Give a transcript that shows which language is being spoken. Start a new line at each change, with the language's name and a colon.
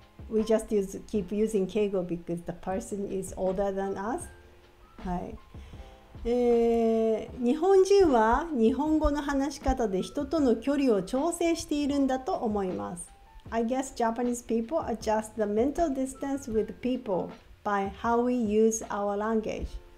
English: We just keep using 敬語 because the person is older than us.
Japanese: 日本人は日本語の話し方で人との距離を調整しているんだと思います。
English: I guess Japanese people adjust the mental distance with people by how we use our language.